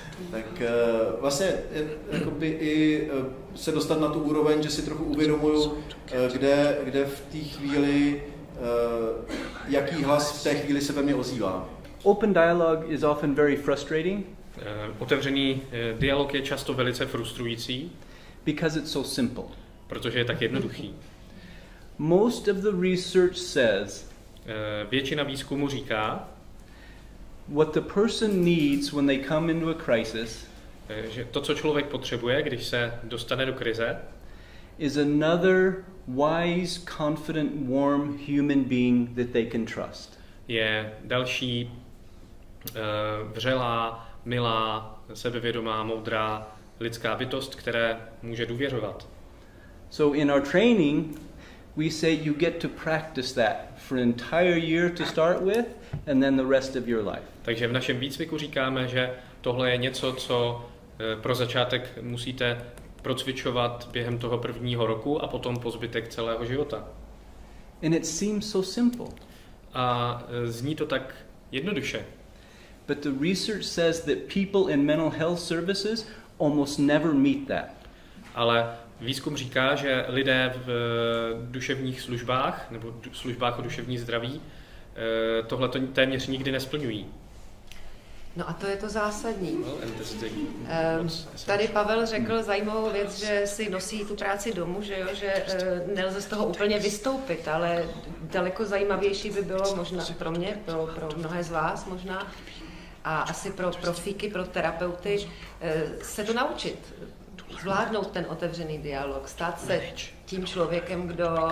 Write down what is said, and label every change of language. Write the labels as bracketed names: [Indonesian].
[Czech] Tak vlastně jakoby i se dostat na tu úroveň, že si trochu uvědomuju, kde v té chvíli, jaký hlas v té chvíli se ve mně ozývá. [English] Open dialogue is often very frustrating. [Czech] Otevřený dialog je často velice frustrující. [English] Because it's so simple. [Czech] Protože je tak jednoduchý. [English] Most of the research says. [Czech] Většina výzkumu říká. [English] What the person needs when they come into a crisis. [Czech] Že to, co člověk potřebuje, když se dostane do krize. [English] Is another wise, confident, warm human being that they can trust. [Czech] Je další vřelá, milá, sebevědomá, moudrá lidská bytost, které může důvěřovat. [English] So in our training, we say you get to practice that for an entire year to start with, and then the rest of your life. [Czech] Takže v našem výcviku říkáme, že tohle je něco, co pro začátek musíte procvičovat během toho prvního roku a potom po zbytek celého života. [English] And it seems so simple. [Czech] A zní to tak jednoduše. [English] But the research says that people in mental health services almost never meet that. [Czech] Ale výzkum říká, že lidé v duševních službách nebo službách o duševní zdraví tohle to téměř nikdy nesplňují. No a to je to zásadní. Well, tady Pavel řekl zajímavou věc, že si nosí tu práci domů, že jo, že nelze z toho úplně vystoupit, ale daleko zajímavější by bylo možná pro mě, pro mnohé z vás možná, a asi pro profíky, pro terapeuty, se to naučit, zvládnout ten otevřený dialog, stát se tím člověkem, kdo